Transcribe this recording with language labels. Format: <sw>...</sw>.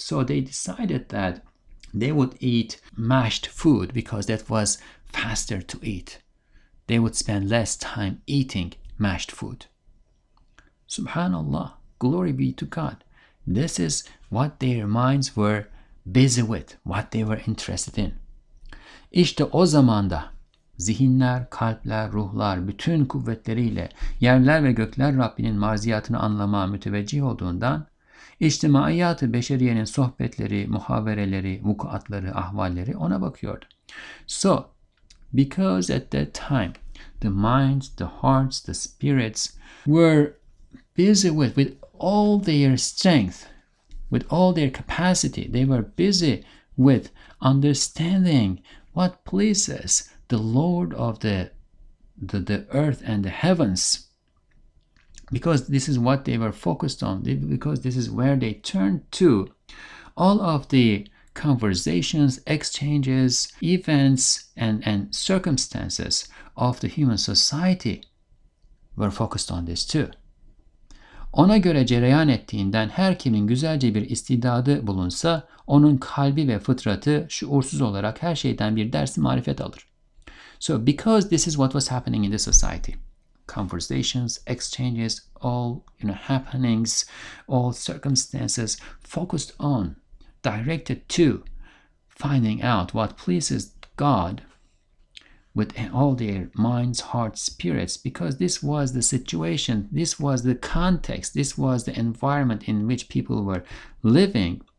<en>So they decided that they would eat mashed food because that was faster to eat. They would spend less time eating mashed food. Subhanallah, glory be to God. This is what their minds were busy with, what they were interested in.</en> <tr>İşte o zamanda zihinler, kalpler, ruhlar bütün kuvvetleriyle yerler ve gökler Rabbinin marziyatını anlamaya müteveccih olduğundan, içtimaiyat-ı beşeriyenin sohbetleri, muhavereleri, vukuatları, ahvalleri ona bakıyordu.</tr> <en>So, because at that time, the minds, the hearts, the spirits were busy with all their strength, with all their capacity, they were busy with understanding what pleases the Lord of the earth and the heavens. Because this is what they were focused on, because this is where they turned to. All of the conversations, exchanges, events, and circumstances of the human society were focused on this too.</en> <tr>Ona göre cereyan ettiğinden her kimin güzelce bir istidadı bulunsa, onun kalbi ve fıtratı şuursuz olarak her şeyden bir dersi marifet alır.</tr> <en>So because this is what was happening in the society, conversations, exchanges, all happenings, all circumstances focused on, directed to finding out what pleases God with all their minds, hearts, spirits, because this was the situation, this was the context, this was the environment in which people were living.</en>